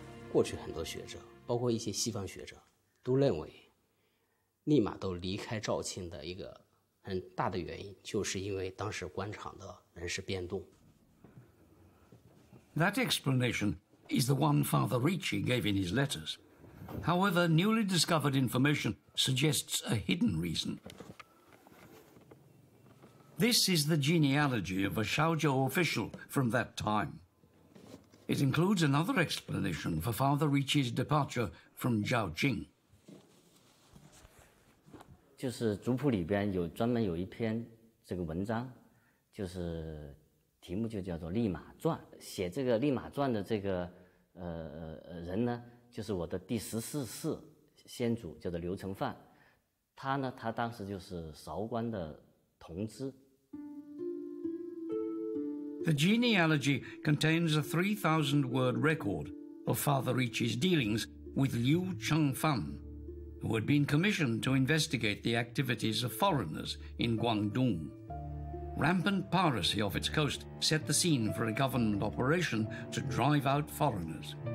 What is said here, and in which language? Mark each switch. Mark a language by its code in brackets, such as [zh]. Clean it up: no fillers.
[zh] 过去很多学者，包括一些西方学者，都认为立马都离开肇庆的一个很大的原因，就是因为当时官场的人事变动。 [en] That explanation is the one Father Ricci gave in his letters. However, newly discovered information suggests a hidden reason. This is the genealogy of a Shaozhou official from that time. It includes another explanation for Father Ricci's departure from Jiaoqing. [zh] 就是族谱里边有专门有一篇这个文章，就是题目就叫做《立马传》。写这个《立马传》的这个人呢，就是我的第十四世先祖，叫做刘承范。他呢，他当时就是韶关的同知。 [en] The genealogy contains a 3,000-word record of Father Ricci's dealings with Liu Chengfan, who had been commissioned to investigate the activities of foreigners in Guangdong. Rampant piracy off its coast set the scene for a government operation to drive out foreigners.